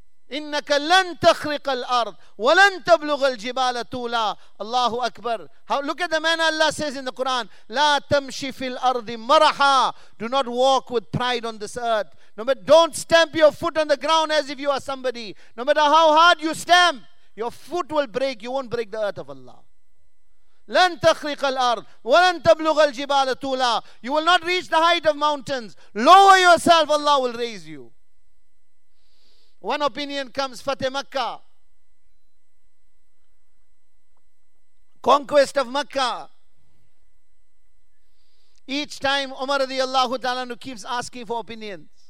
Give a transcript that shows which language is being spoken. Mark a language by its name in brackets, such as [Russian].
[Arabic] إِنَّكَ لَن تَخْرِقَ الْأَرْضِ وَلَن تَبْلُغَ الْجِبَالَ تُولَى. Allahu Akbar. [English] How, look at the manner Allah says in the Quran. [Arabic] لَا تَمْشِ فِي الْأَرْضِ مَرَحَى. [English] Do not walk with pride on this earth. No, but don't stamp your foot on the ground as if you are somebody. No matter how hard you stamp, your foot will break. You won't break the earth of Allah. [Arabic] لن تخرق الأرض ولن تبلغ الجبال طولا. [English] You will not reach the height of mountains. Lower yourself, Allah will raise you. One opinion comes, Fateh Makkah, conquest of Makkah. Each time Umar radiallahu ta'ala anhu keeps asking for opinions.